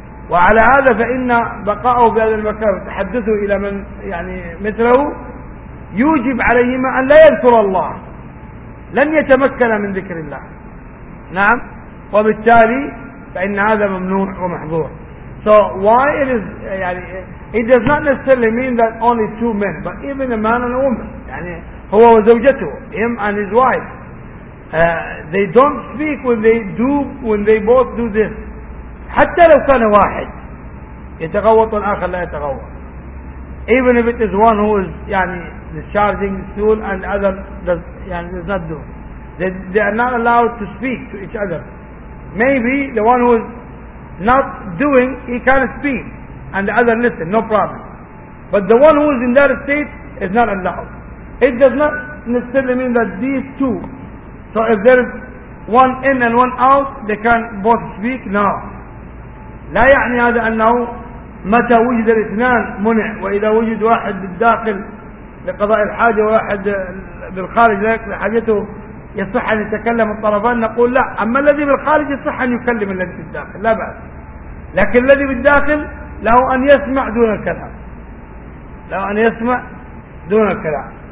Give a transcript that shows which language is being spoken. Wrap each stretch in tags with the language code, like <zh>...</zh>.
<ar>وعلى هذا فإن بقاؤه بهذا المكان تحدثه إلى من يعني مثله يوجب عليهما أن لا يذكر الله، لن يتمكن من ذكر الله. نعم. وبالتالي فإن هذا ممنوع ومحظور.</ar> <en>So why it is يعني it does not necessarily mean that only two men but even a man and a woman</en> <ar>يعني هو وزوجته</ar> <en>him and his wife they don't speak when they both do this.</en> <ar>حتى لو كان واحد يتغوط والآخر لا يتغوط.</ar> <en>Even if it is one who is يعني discharging soon and other does not do. They are not allowed to speak to each other. Maybe the one who is not doing, he can't speak and the other listen, no problem. But the one who is in that state is not allowed. It does not necessarily mean that these two, so if there is one in and one out, they can both speak. No.</en> <ar>لا يعني هذا أنه متى وجد الاثنان منع، وإذا وجد واحد بالداخل لقضاء الحاجة وواحد بالخارج لحاجته يصح أن يتكلم الطرفان، نقول لا. أما الذي بالخارج يصح أن يكلم الذي بالداخل لا بأس، لكن الذي بالداخل له أن يسمع دون الكلام، له أن يسمع دون الكلام.</ar>